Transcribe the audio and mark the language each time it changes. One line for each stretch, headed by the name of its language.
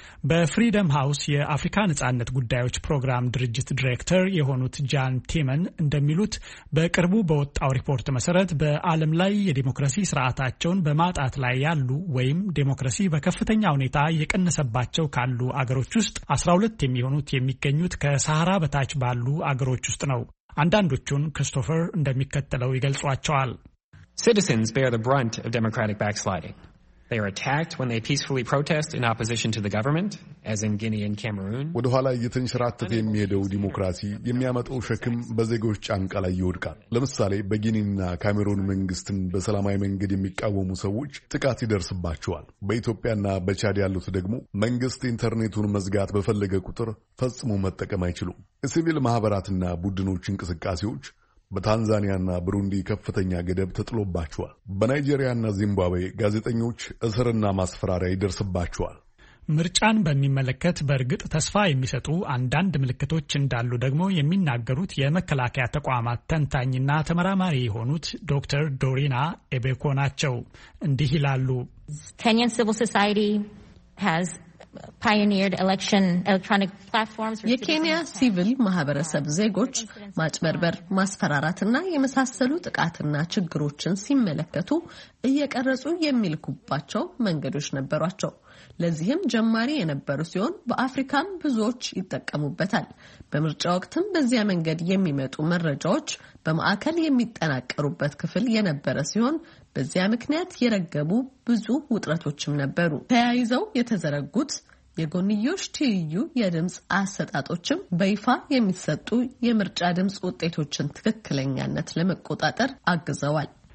Amharic: በፍሪደም ሃውስ የአፍሪካ ነጻነት ጉዳዮች ፕሮግራም ድርጅት ዳይሬክተር የሆኑት ጃን ቲመን እንደሚሉት በቅርቡ በወጣው ሪፖርት መሰረት በዓለም ላይ የዲሞክራሲ ስርዓታቸውን በማጣት ላይ ያሉ ወይም ዲሞክራሲ በከፍተኛ ሁኔታ የቀነሰባቸው ካሉ አገሮች ውስጥ 12 የሚሆኑት የሚገኙት ከሳሃራ በታች ባሉ አገሮች ውስጥ ነው። አንዳንዶቹን ክርስቶፈር እንደሚከተለው ይገልጿቸዋል።
English: Citizens bear the brunt of democratic backsliding. They are attacked when they peacefully protest in opposition to the government, as in Guinea and Cameroon.
Amharic: ወደ ኋላ እየተንሸራተተ የሚሄደው ዲሞክራሲ የሚያመጣው ሸክም በዜጎች ጫንቃ ላይ ይወድቃል። ለምሳሌ በጊኒና ካሜሩን መንግስትን በሰላማዊ መንገድ የሚቃወሙ ሰዎች ጥቃት ይደርስባቸዋል። በኢትዮጵያና በቻድ ያሉት ደግሞ መንግስት ኢንተርኔቱን መዝጋት በፈለገ ቁጥር ፈጽሞ መጠቀም አይችሉም። ሲቪል ማህበራትና ቡድኖች እንቅስቃሴዎች በታንዛኒያና ብሩንዲ ከፍተኛ ገደብ ተጥሎባቸዋል። በናይጄሪያና ዚምባብዌ ጋዜጠኞች እስርና ማስፈራሪያ ይደርስባቸዋል። ምርጫን በሚመለከት በርግጥ ተስፋ የሚሰጡ አንዳንድ ምልክቶች እንዳሉ ደግሞ የሚናገሩት የመከላከያ ተቋማት ተንታኝና ተመራማሪ የሆኑት ዶክተር ዶሪና ኤቤኮ ናቸው። እንዲህ ይላሉ።
English: Kenyan civil society has pioneered election electronic platforms
Amharic: for የኬንያ ሲቪል ማህበረሰብ ዜጎች ማጭበርበር ማስፈራራትና የመሳሰሉ ጥቃትና ችግሮችን ሲመለከቱ እየቀረጹ የሚልኩባቸው መንገዶች ነበሯቸው። ለዚህም ጀማሪ የነበሩ ሲሆን በአፍሪካም ብዙዎች ይጠቀሙበታል። በምርጫ ወቅትም በዚያ መንገድ የሚመጡ መረጃዎች በማዕከል የሚጠናቀሩበት ክፍል የነበረ ሲሆን በዚያ ምክንያት የረገቡ ብዙ ውጥረቶችም ነበሩ። ተያይዘው የተዘረጉት የጎንዮሽ ትይዩ የድምጽ አሰጣጦችም በይፋ የሚሰጡ የምርጫ ድምጽ ውጤቶችን ትክክለኛነት ለመቆጣጠር አግዘዋል።